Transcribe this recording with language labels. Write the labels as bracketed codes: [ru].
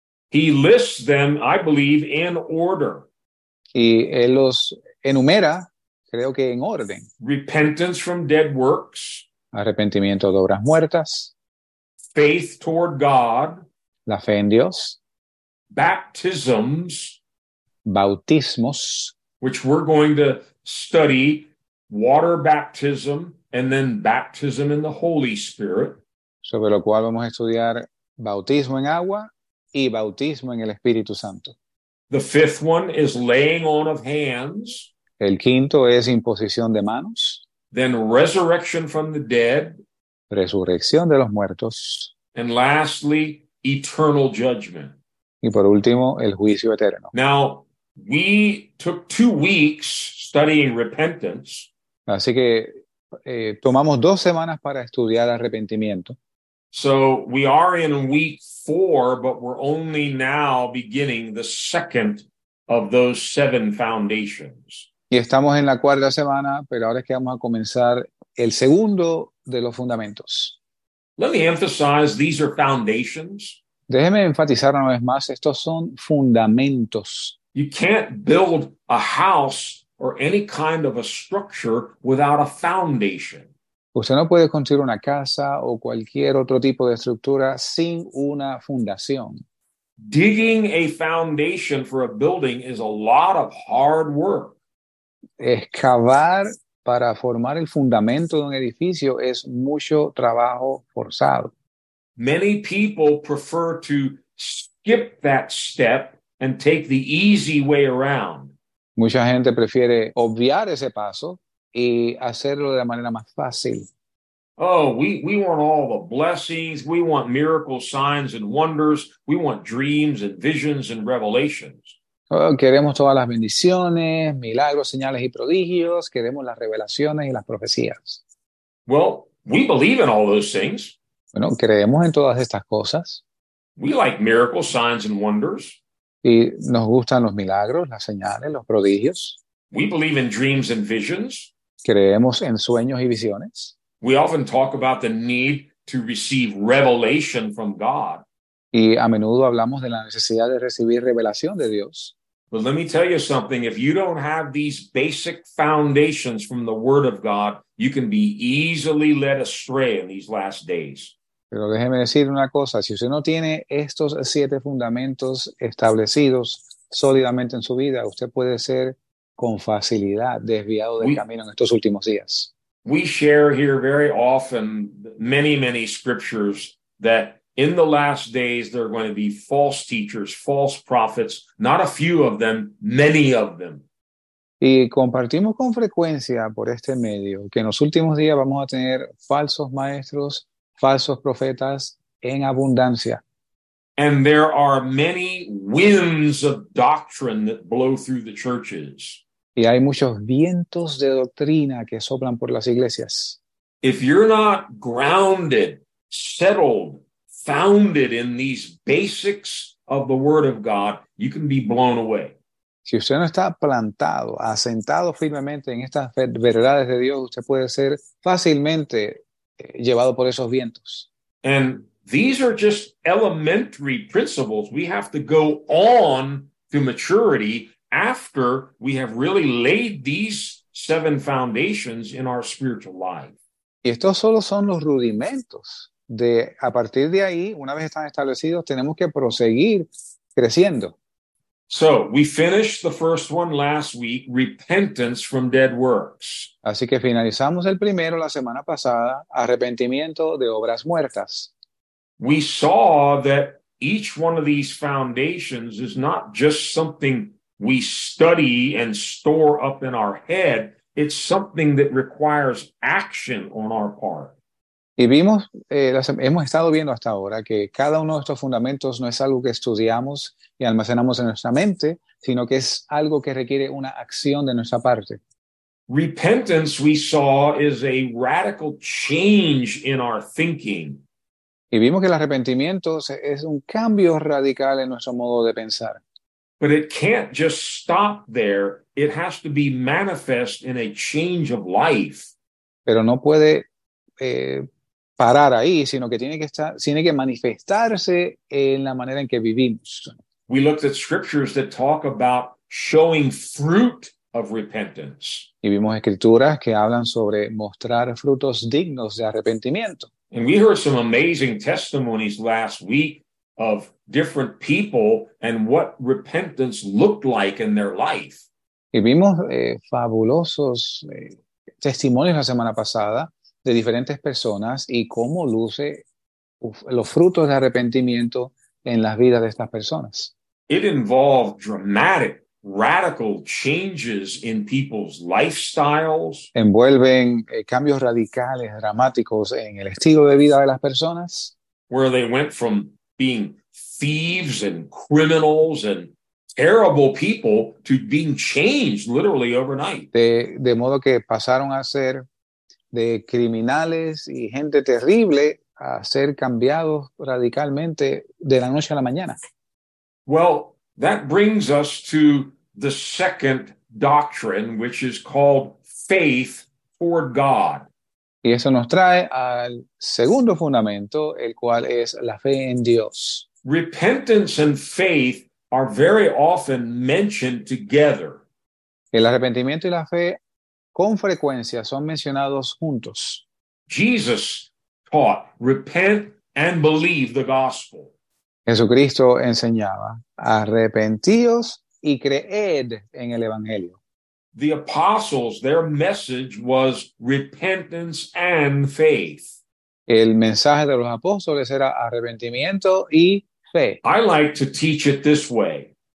[en] He lists them, I believe, in order. [es] Y él los enumera, creo que en orden. [en] Repentance from dead works. [es] Arrepentimiento de obras muertas. [en] Faith toward God. [es] La fe en Dios. [en] Baptisms. [es] Bautismos. [en] Which we're going to study, water baptism and then baptism in the Holy Spirit. [es] Sobre lo cual vamos a estudiar bautismo en agua y bautismo en el Espíritu Santo. [en] The fifth one is laying on of hands. [es] El quinto es imposición de manos. [en] Then resurrection from the dead. [es] Resurrección de los muertos. [en] And lastly, eternal judgment. [es] Y por último, el juicio eterno. [en] Now, we took 2 weeks studying repentance. [es] Así que tomamos 2 semanas para estudiar arrepentimiento. [en] So we are in week 4, but we're only now beginning the second of those 7 foundations. [es] Y estamos en la cuarta semana, pero ahora es que vamos a comenzar el segundo de los fundamentos. [en] Let me emphasize, these are foundations. [es] Déjeme enfatizar una vez más, estos son fundamentos. [en] You can't build a house or any kind of a structure without a foundation. [es] Usted no puede construir una casa o cualquier otro tipo de estructura sin una fundación. [en] Digging a foundation for a building is a lot of hard work. [es] Excavar para formar el fundamento de un edificio es mucho trabajo forzado. [en] Many people prefer to skip that step and take the easy way around. [es] Mucha gente prefiere obviar ese paso y hacerlo de la manera más fácil. [en] Oh, we want all the blessings. We want miracles, signs, and wonders. We want dreams and visions and revelations. [es] Oh, queremos todas las bendiciones, milagros, señales y prodigios. Queremos las revelaciones y las profecías. [en] Well, we believe in all those things. [es] Bueno, creemos en todas estas cosas. [en] We like miracles, signs, and wonders. [es] Y nos gustan los milagros, las señales, los prodigios. [en] We believe in dreams and visions. [es] Creemos en sueños y visiones. [en] We often talk about the need to receive revelation from God. [es] Y a menudo hablamos de la necesidad de recibir revelación de Dios. [en] But let me tell you something. If you don't have these basic foundations from the Word of God, you can be easily led astray in these last days. [es] Pero déjeme decir una cosa. Si usted no tiene estos 7 fundamentos establecidos sólidamente en su vida, usted puede ser con facilidad desviado del camino en estos últimos días. [en] We share here very often many, many scriptures that in the last days there are going to be false teachers, false prophets, not a few of them, many of them. [es] Y compartimos con frecuencia por este medio que en los últimos días vamos a tener falsos maestros, falsos profetas en abundancia. [en] And there are many winds of doctrine that blow through the churches. [es] Y hay muchos vientos de doctrina que soplan por las iglesias. [en] If you're not grounded, settled, founded in these basics of the Word of God, you can be blown away. [es] Si usted no está plantado, asentado firmemente en estas verdades de Dios, usted puede ser fácilmente llevado por esos vientos. [en] And these are just elementary principles. We have to go on to maturity after we have really laid these seven foundations in our spiritual life. [es] Y estos solo son los rudimentos de, a partir de ahí, una vez están establecidos, tenemos que proseguir creciendo. [en] So, we finished the first one last week, repentance from dead works. [es] Así que finalizamos el primero la semana pasada, arrepentimiento de obras muertas. [en] We saw that each one of these foundations is not just something we study and store up in our head, it's something that requires action on our part. [es] Y vimos, hemos estado viendo hasta ahora que cada uno de estos fundamentos no es algo que estudiamos y almacenamos en nuestra mente, sino que es algo que requiere una acción de nuestra parte. [en] Repentance, we saw, is a radical change in our thinking. [es] Y vimos que el arrepentimiento es un cambio radical en nuestro modo de pensar. [en] But it can't just stop there. It has to be manifest in a change of life. [es] Pero no puede parar ahí, sino que tiene que estar, tiene que manifestarse en la manera en que vivimos. [en] We looked at scriptures that talk about showing fruit of repentance. [es] Y vimos escrituras que hablan sobre mostrar frutos dignos de arrepentimiento. [en] And we heard some amazing testimonies last week of different people and what repentance looked like in their life. [es] Y vimos fabulosos testimonios la semana pasada de diferentes personas y cómo luce los frutos de arrepentimiento en las vidas de estas personas. [en] It involved dramatic, radical changes in people's lifestyles. [es] Envuelven cambios radicales, dramáticos en el estilo de vida de las personas. [en] Where they went from being thieves and criminals and terrible people to being changed literally overnight. [es] De modo que pasaron a ser de criminales y gente terrible a ser cambiados radicalmente de la noche a la mañana. [en] Well, that brings us to the second doctrine, which is called faith toward God. [es] Y eso nos trae al segundo fundamento, el cual es la fe en Dios. [en] Repentance and faith are very often mentioned together. [es] El arrepentimiento y la fe con frecuencia son mencionados juntos. [en] Jesus taught, repent and believe the gospel. [es] Jesucristo enseñaba, arrepentíos y creed en el evangelio. [en] The apostles, their message was repentance and faith. [es] El mensaje de los apóstoles era arrepentimiento y fe. [en] I like to teach it this way.